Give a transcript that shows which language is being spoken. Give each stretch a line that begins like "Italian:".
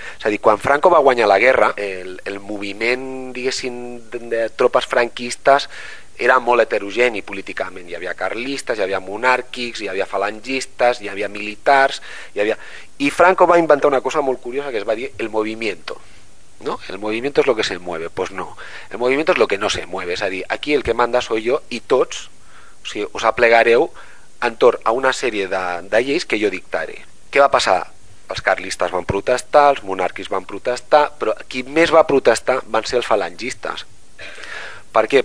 Catalan: És a dir, quan Franco va guanyar la guerra, el moviment, diguéssim, de tropes franquistes era molt heterogeni políticament. Hi havia carlistes, hi havia monàrquics, hi havia falangistes, hi havia militars, i Franco va inventar una cosa molt curiosa que es va dir el movimiento, ¿no?
Spanish: El movimiento es lo que se mueve. Pues no, el movimiento es lo que no se mueve.
Catalan: És a dir, aquí el que
Spanish: manda soy yo
Catalan: i tots, o sigui, us aplegareu entorn a una sèrie de lleis que jo dictaré. Què va passar? Els carlistes van protestar, els monàrquics van protestar, però qui més va protestar van ser els falangistes. Per què?